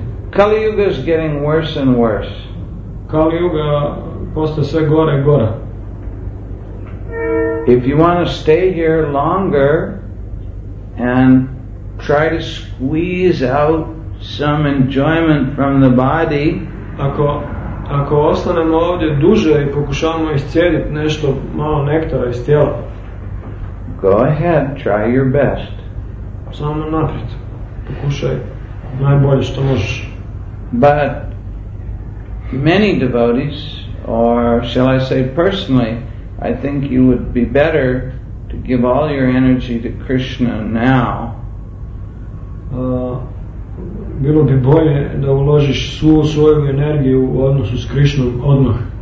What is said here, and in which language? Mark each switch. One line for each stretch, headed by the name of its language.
English: Kali Yuga is getting worse and worse.
Croatian: Kali Yuga postaje sve gore i gore.
English: If you want to stay here longer and try to squeeze out some enjoyment from the body,
Croatian: ako ostanemo ovdje duže i pokušamo iscijediti nešto malo nektara iz tijela,
English: go ahead, try your best.
Croatian: Samo naprijed, pokušaj najbolje što možeš.
English: But many devotees, or shall I say personally, I think you would be better to to give all your energy to Krishna now.
Croatian: Bilo bi bolje da uložiš svu svoju energiju u odnosu s Krishnom odmah.